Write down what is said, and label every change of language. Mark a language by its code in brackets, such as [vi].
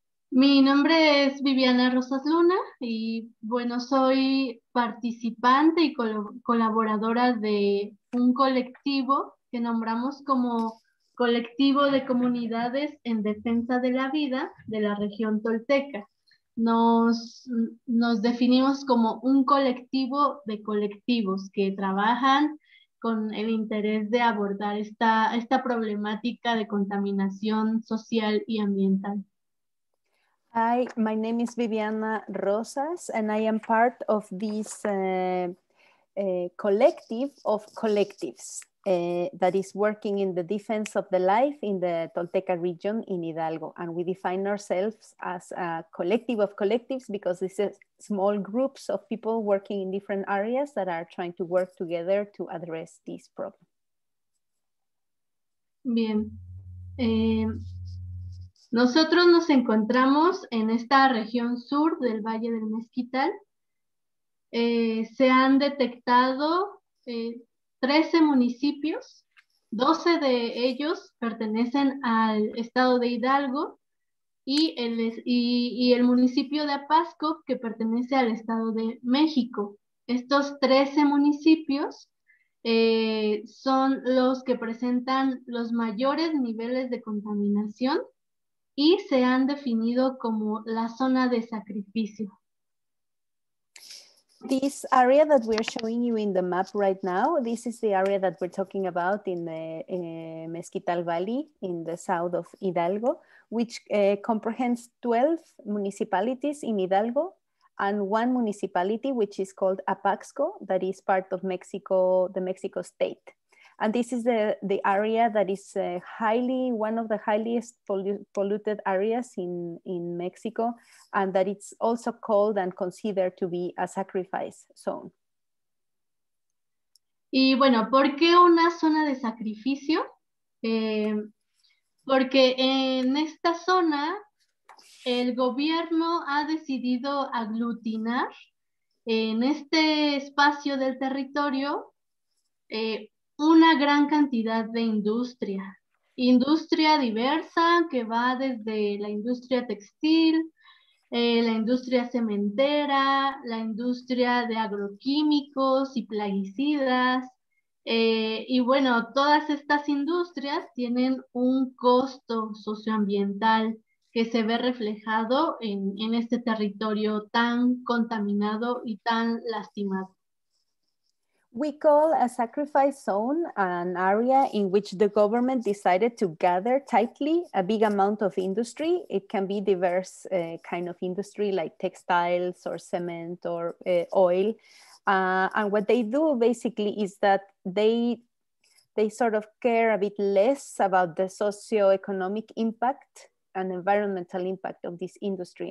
[es] Mi nombre es Viviana Rosas Luna y, bueno, soy participante y colaboradora de un colectivo que nombramos como Colectivo de Comunidades en Defensa de la Vida de la Región Tolteca. Nos definimos como un colectivo de colectivos que trabajan con el interés de abordar esta problemática de contaminación social y ambiental. [en] Hi, my name is Viviana Rosas, and I am part of this collective of collectives that is working in the defense of the life in the Tolteca region in Hidalgo. And we define ourselves as a collective of collectives because this is small groups of people working in different areas that are trying to work together to address this problem. [es] Bien. Nosotros nos encontramos en esta región sur del Valle del Mezquital. Se han detectado 13 municipios, 12 de ellos pertenecen al estado de Hidalgo y el municipio de Apaxco, que pertenece al estado de México. Estos 13 municipios son los que presentan los mayores niveles de contaminación y se han definido como la zona de sacrificio. [en] This area that we're showing you in the map right now, this is the area that we're talking about in the Mezquital Valley, in the south of Hidalgo, which comprehends 12 municipalities in Hidalgo, and one municipality, which is called Apaxco, that is part of the Mexico state. And this is the area that is one of the highest polluted areas in Mexico, and that it's also called and considered to be a sacrifice zone. [es] Y bueno, ¿por qué una zona de sacrificio? Porque en esta zona el gobierno ha decidido aglutinar en este espacio del territorio una gran cantidad de industria diversa que va desde la industria textil, la industria cementera, la industria de agroquímicos y plaguicidas, y bueno, todas estas industrias tienen un costo socioambiental que se ve reflejado en este territorio tan contaminado y tan lastimado. [en] We call a sacrifice zone an area in which the government decided to gather tightly a big amount of industry. It can be diverse kind of industry like textiles or cement or oil. And what they do basically is that they sort of care a bit less about the socioeconomic impact and environmental impact of this industry.